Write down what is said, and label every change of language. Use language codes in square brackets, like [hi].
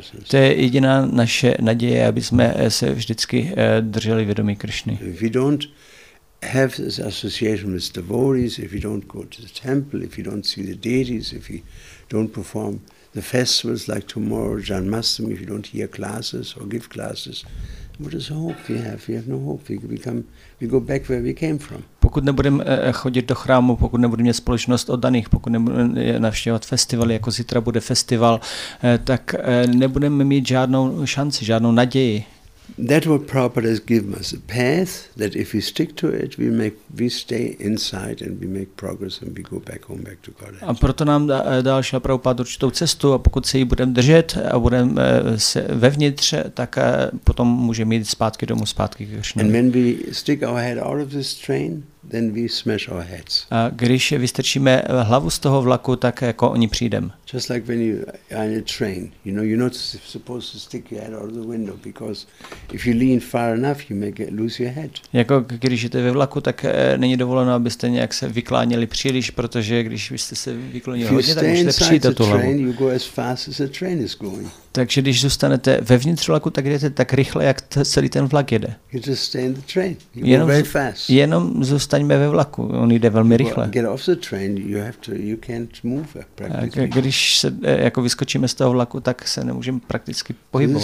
[cs] To je jediná naše naděje, aby jsme se vždycky drželi vědomí Krishny. [en] Have this association with devotees, if you don't go to the temple, if you don't see the deities, if you don't perform the festivals like tomorrow, Janmashtami, if you don't hear classes or give classes, what is the hope we have? We have no hope. We go back where we came from. [cs] Pokud nebudeme chodit do chrámu, pokud nebudeme mít společnost oddaných, pokud nebudeme navštěvovat festivaly, jako zítra bude festival, tak nebudeme mít žádnou šanci, žádnou naději. [en] That what Prabhupada has given us, a path that if we stick to it, we stay inside and we make progress and we go back to Godhead. [cs] A proto nám dal Šrila Prabhupáda určitou cestu a pokud se jí budeme držet a budeme se vevnitř, tak potom můžeme jít zpátky domů, zpátky k Kršnovi. [en] And when we stick our head out of this train, then we smash our heads. [cs] A když vystrčíme hlavu z toho vlaku, tak jako oni přijdem. [en] Just like when you are on a train, you know, you're not supposed to stick your head out of the window because if you lean far enough, you may lose your head. [cs] Jako když jste ve vlaku, tak není dovoleno, abyste nějak se vykláněli příliš, protože když byste se vyklonili hodně, tak můžete přijít do tu hlavu. [en] Train, you go as fast as the train is going. [cs] Takže když zůstanete ve vnitř vlaku, tak jdete tak rychle, jak celý ten vlak jede. [en] You just stay in the train. You go very fast. [cs] Jenom zůstaňme ve vlaku, on jde velmi rychle. [en] Get off the train, you have to, you can't move practically. [cs] Když se jako vyskočíme z toho vlaku, tak se nemůžeme prakticky pohybovat.